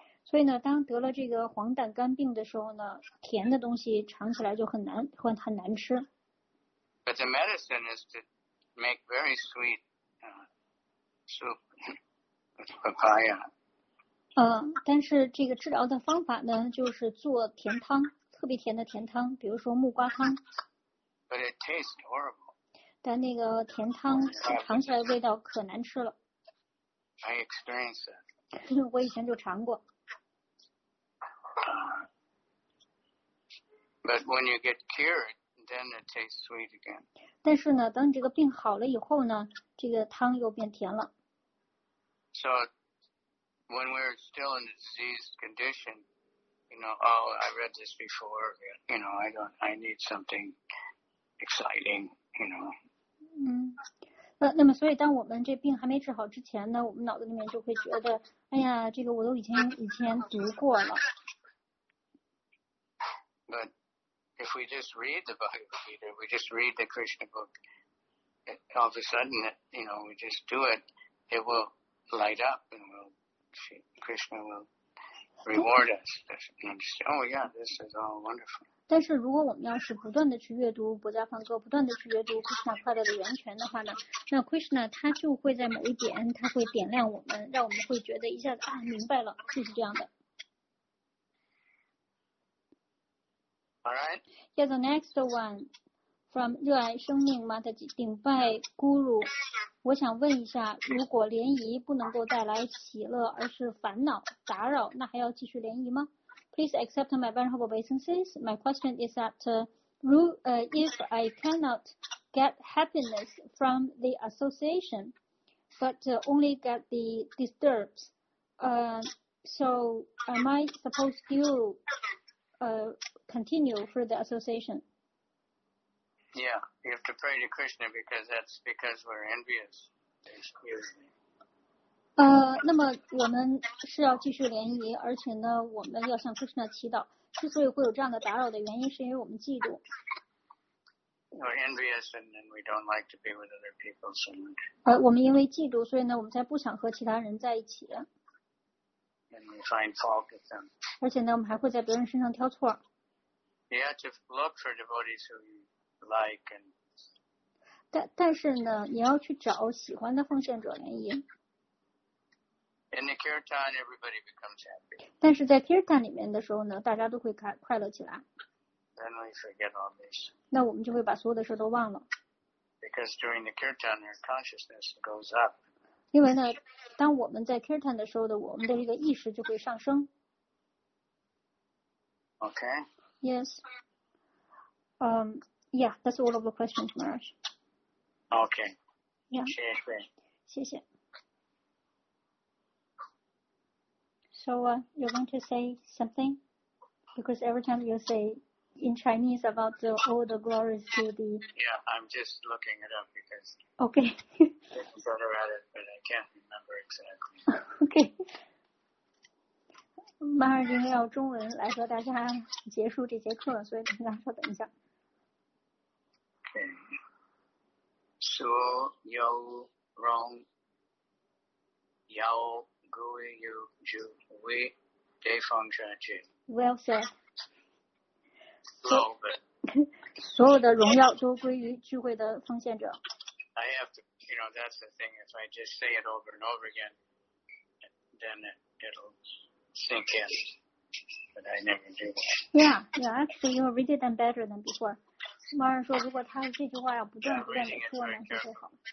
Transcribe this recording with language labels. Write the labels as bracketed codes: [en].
[zh] 所以呢，当得了这个黄疸肝病的时候呢，甜的东西尝起来就很难吃。 [en] But the medicine is to make very sweet soup with papaya. [zh] 但是这个治疗的方法呢，就是做甜汤，特别甜的甜汤，比如说木瓜汤。 [en] But it tastes horrible. [zh] 但那个甜汤尝起来的味道可难吃了。 [en] I experienced it. [zh] 我以前就尝过。 [en] But when you get cured, then it tastes sweet again. [zh] 但是呢，等你这个病好了以后呢，这个汤又变甜了。 [en] So when we're still in a diseased condition, you know, oh, I read this before. You know, I need something exciting. You know. [zh] 那么所以当我们这病还没治好之前呢我们脑子里面就会觉得哎呀这个我都以前读过了 [en] But if we just read the Bhagavad Gita we just read the Krishna book all of a sudden you know we just do it it will light up and Krishna will reward us and just, oh yeah this is all wonderful [zh] 但是如果我们要是不断的去阅读菩萨梵歌不断的去阅读 Krishna 快乐的源泉的话呢那 Krishna 他就会在某一点他会点亮我们让我们会觉得一下子啊明白了就是这样的。 [en] All right. Yeah, the next one. from 热爱生命 Mataji 顶拜 Guru。 [zh] 我想问一下，如果联谊不能够带来喜乐，而是烦恼打扰，那还要继续联谊吗？ [en] Please accept my vulnerable obeisances. My question is that if I cannot get happiness from the association but only get the disturbs, so am I supposed to continue for the association? Yeah, you have to pray to Krishna because that's because we're envious. Excuse [zh] me. 那么我们是要继续联谊，而且呢，我们要向 Krishna 祈祷。之所以会有这样的打扰的原因，是因为我们嫉妒。 [en] We're envious and then we don't like to be with other people so much. [zh] 我们因为嫉妒，所以呢，我们才不想和其他人在一起。 [en] And we find fault with them. [zh] 而且呢，我们还会在别人身上挑错。 [en] You have to look for devotees who you like and. [zh] 但是呢，你要去找喜欢的奉献者联谊。 [en] In the kirtan, everybody becomes happy. [zh] 但是在 kirtan 里面的时候呢，大家都会快乐起来。 [en] Then we forget all this. [zh] 那我们就会把所有的事都忘了。 [en] Because during the kirtan, your consciousness goes up. [zh] 因为呢，当我们在 kirtan 的时候的，我们的这个意识就会上升。 [en] Okay. Yes. Yeah, that's all of the questions, Maharaj. Okay. Yeah. [zh] 谢谢。谢谢。 [en] So, you're going to say something? Because every time you say in Chinese about the, all the glories to the... Yeah, I'm just looking it up because... Okay. I'm better at it, but I can't remember exactly. Okay. [zh] 马尔丁要中文来和大家结束这节课，所以你们稍等一下。 [en] Okay. So, you wrong. You go you do we day function to. Well, sir. So, [zh] 所有的荣耀都归于聚会的奉献者。 [en] I have to, you know, that's the thing. If I just say it over and over again, then it'll sink in. But I never do that. Yeah, yeah. Actually, you read it better than before. [zh] 马尔说，如果他这句话要不断的说呢，是最好。